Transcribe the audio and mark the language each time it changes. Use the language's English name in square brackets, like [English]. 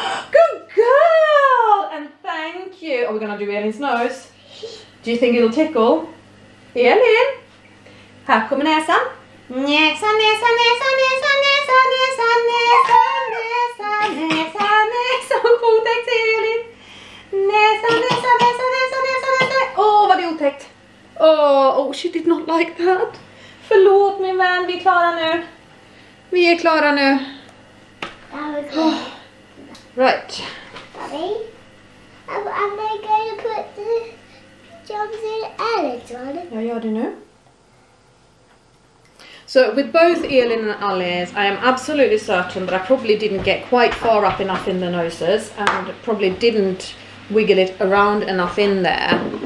[English] Good girl! And thank you. Are we going to do Elin's nose? Do you think it'll tickle? [Swedish] Elin? Här kommer näsan. Näsa, näsa, näsa, näsa, näsa, näsa, näsa, näsa, näsa, näsa, näsa. Otäckt, Elin. Näsa, näsa, näsa, näsa, näsa, näsa. Åh, vad det är otäckt. [English] Oh, she did not like that. [Swedish] Förlåt min vän, vi är klara nu. Vi är klara nu. [English] Okay. Right. Mommy, am I going to put the jumps in Elin's one? [Swedish] Ja, gör det nu. [English] So with both Elin and Alice, I am absolutely certain that I probably didn't get quite far up enough in the noses and probably didn't wiggle it around enough in there.